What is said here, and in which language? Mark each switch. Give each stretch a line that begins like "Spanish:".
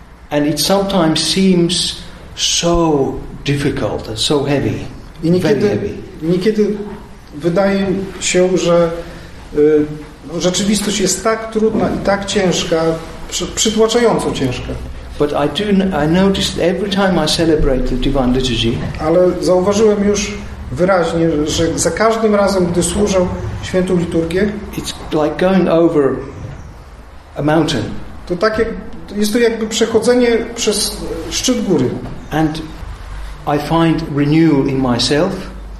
English: And it sometimes seems so difficult and so heavy.
Polish: I niekiedy, niekiedy wydaje się, że rzeczywistość jest tak trudna i tak ciężka, przytłaczająco ciężka.
English: But I noticed every time I celebrate the Divine Liturgy.
Polish: Ale zauważyłem już wyraźnie, że za każdym razem, gdy służę świętą liturgię,
English: it's like going over a mountain.
Polish: To tak jak, jest to jakby przechodzenie przez szczyt góry.
English: And I find renewal in myself.